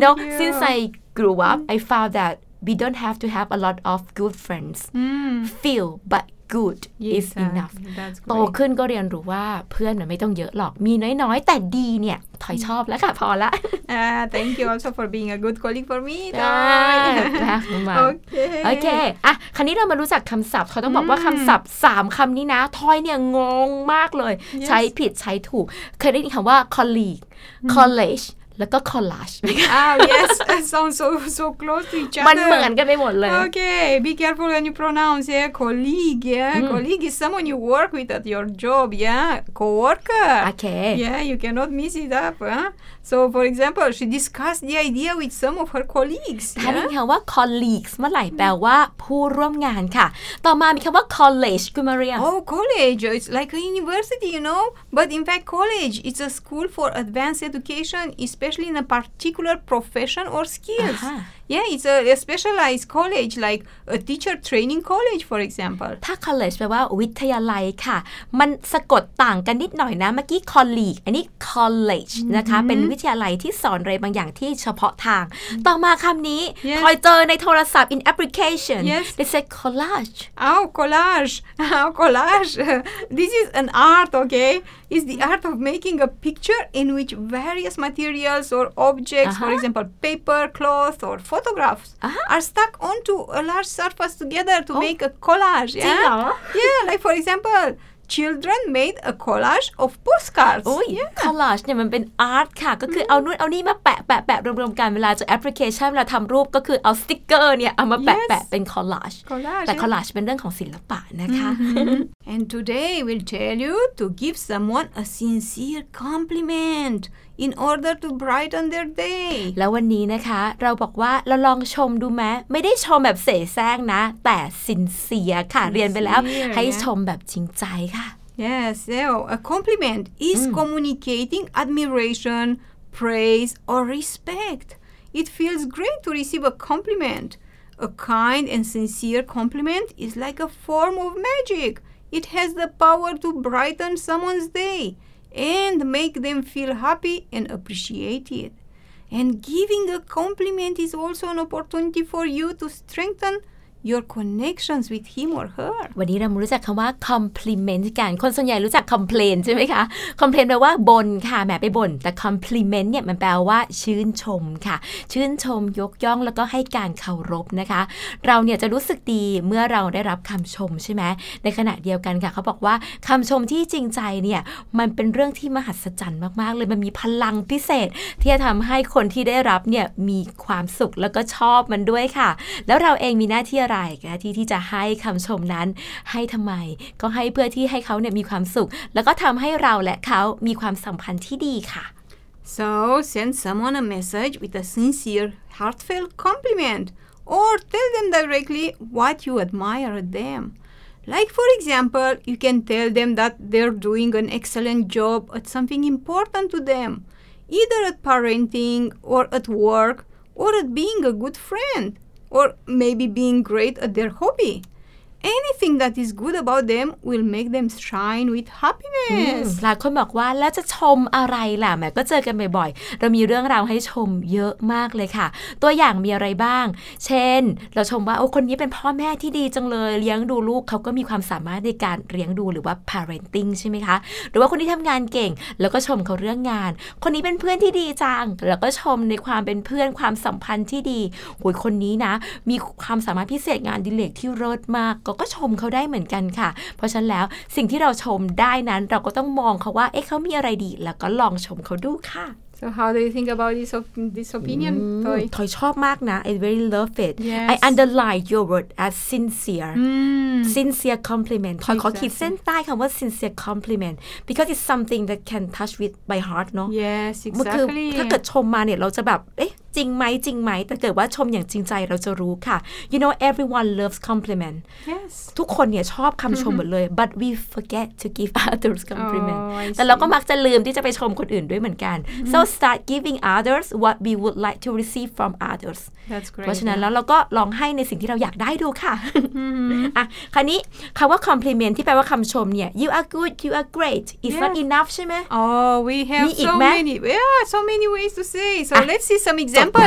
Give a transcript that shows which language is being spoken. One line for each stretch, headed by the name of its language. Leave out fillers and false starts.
English: know since I grew up I found that we don't have to have a lot of good friends feel but good is enough
Thai: โต ขึ้นก็เรียนรู้ว่าเพื่อนไม่ต้องเยอะหรอกมีน้อยๆแต่ดีเนี่ยถอยชอบแล้วค่ะพอละ
English: thank you also for being a good colleague for me
Thai: ได้มาโอเคโอเคอ่ะคราวนี้เรามารู้จักคำศัพท์เขาต้องบอกว่าคำศัพท์3คำนี้นะทอยเนี่ยงงมากเลย yes. ใช้ผิดใช้ถูกเคยได้ยินคำว่า colleague collegeแล้วก็ collage
English: yes sounds so close to each other
Thai: มันเหมือนกันไปหมดเลย
English: okay be careful when you pronounce yeah colleague yeah colleague is someone you work with at your job yeah coworker okay yeah you cannot mess it up so for example she discussed the idea with some of her colleagues
Thai: ถ้ามีคำว่า colleagues เมื่อไหร่แปลว่าผู้ร่วมงานค่ะต่อมามีคำว่า college คุณมาเรีย
English: น oh college it's like a university you know but in fact college it's a school for advanced education especially in a particular profession or skills. Uh-huh. Yeah, it's a specialized college, like a teacher training college, for example.
Thai: ถ้า college แปลว่าวิทยาลัยค่ะมันสะกดต่างกันนิดหน่อยนะเมื่อกี้ colleague อันนี้ college นะคะเป็นวิทยาลัยที่สอนอะไรบางอย่างที่เฉพาะทาง ต่อมาคำนี้
English: yes.
Thai: คอยเจอในโทรศัพท์
English: in application. Yes. They say collage. Oh, collage. Oh, collage. This is an art, okay? It's the art of making a picture in which various materials or objects, uh-huh. for example, paper, cloth, or photographs, uh-huh. are stuck onto a large surface together to make a collage. Yeah, yeah. Like for example, children made a collage of postcards. Oh, yeah.
Thai: Collage เนี่ยมันเป็น art ค่ะก็คือเอานู่นเอานี่มาแปะแปะแปะรวมๆกันเวลาจะ application เราทำรูปก็คือเอาสติ๊กเกอร์เนี่ยเอามาแปะแปะเป็น collage.
English: Collage.
Thai: แต่ collage เป็นเรื่องของศิลปะนะคะ
English: And today we'll tell you to give someone a sincere compliment in order to brighten their day.
Thai: แล้ววันนี้นะคะเราบอกว่าเราลองชมดูไหมไม่ได้ชมแบบเสแสร้งนะแต่ sincere ค่ะ
English: sincere,
Thai: เรียนไปแล้ว
English: yeah.
Thai: ให้ชมแบบจริงใจค่ะ
English: Yes, so a compliment is communicating admiration, praise or respect. It feels great to receive a compliment. A kind and sincere compliment is like a form of magic. It has the power to brighten someone's day and make them feel happy and appreciated. And giving a compliment is also an opportunity for you to strengthen your connections with him or her.
Thai: วันนี้เรารู้จักคำว่า compliment กันคนส่วนใหญ่รู้จัก complain ใช่ไหมคะ complain แปลว่าบ่นค่ะแหมไปบ่นแต่ compliment เนี่ยมันแปลว่าชื่นชมค่ะชื่นชมยกย่องแล้วก็ให้การเคารพนะคะ เราเนี่ยจะรู้สึกดีเมื่อเราได้รับคำชมใช่ไหมในขณะเดียวกันค่ะเขาบอกว่าคำชมที่จริงใจเนี่ยมันเป็นเรื่องที่มหัศจรรย์มากๆเลยมันมีพลังพิเศษที่จะทำให้คนที่ได้รับเนี่ยมีความสุขแล้วก็ชอบมันด้วยค่ะแล้วเราเองมีหน้าที่ที่จะให้คำชมนั้นให้ทำไมก็ให้เพื่อที่ให้เขาเนี่ยมีความสุขแล้วก็ทำให้เราและเขามีความสัมพันธ์ที่ดีค่ะ
English: So send someone a message with a sincere heartfelt compliment or tell them directly what you admire them like for example you can tell them that they're doing an excellent job at something important to them either at parenting or at work or at being a good friendOr maybe being great at their hobby. Anything that is good about them will make them shine with happiness.
Thai: หลายคนบอกว่าแล้วจะชมอะไรล่ะแม่ก็เจอกันบ่อยๆเรามีเรื่องราวให้ชมเยอะมากเลยค่ะตัวอย่างมีอะไรบ้างเช่นเราชมว่าโอ้คนนี้เป็นพ่อแม่ที่ดีจังเลยเลี้ยงดูลูกเขาก็มีความสามารถในการเลี้ยงดูหรือว่า parenting ใช่ไหมคะหรือว่าคนที่ทำงานเก่งแล้วก็ชมเขาเรื่องงานคนนี้เป็นเพื่อนที่ดีจังแล้วก็ชมในความเป็นเพื่อนความสัมพันธ์ที่ดีโอ้ยคนนี้นะ มีความสามารถพิเศษงานดีเลกที่เลิศมากก็ชมเขาได้เหมือนกันค่ะเพราะฉะนั้นแล้วสิ่งที่เราชมได้นั้นเราก็ต้องมองเขาว่าเอ๊ะเขามีอะไรดีแล้วก็ลองชมเขาดูค่ะ
English: So how do you think about this opinion Toy Toy
Thai: ชอบมากนะ
English: I really love it yes. I underline your word as sincere sincere compliment Toy
Thai: ขอขีดเส้นใต้คำว่า
English: sincere compliment because it's something that can touch with my heart เนาะ Yes exactly
Thai: ถ้าเกิดชมมาเนี่ยเราจะแบบเอ๊ะจริงไหมจริงไหมแต่เกิดว่าชมอย่างจริงใจเราจะรู้ค่ะ
English: You know everyone loves compliment Yes
Thai: ทุกคนเนี่ยชอบคำชมหมดเลย
English: But we forget to give others compliment oh,
Thai: แต่เราก็มักจะลืมที่จะไปชมคนอื่นด้วยเหมือนกัน
English: So start giving others what we would like to receive from others That's great
Thai: เพราะฉะนั้น yeah. แล้วเราก็ลองให้ในสิ่งที่เราอยากได้ดูค่ะ อ่ะคราวนี้คำว่า compliment ที่แปลว่าคำชมเนี่ย
English: You are good You are great It's yeah. not enough
Thai: ใช่ไหม
English: Oh we have so many Yeah so many ways to say So let's see some examples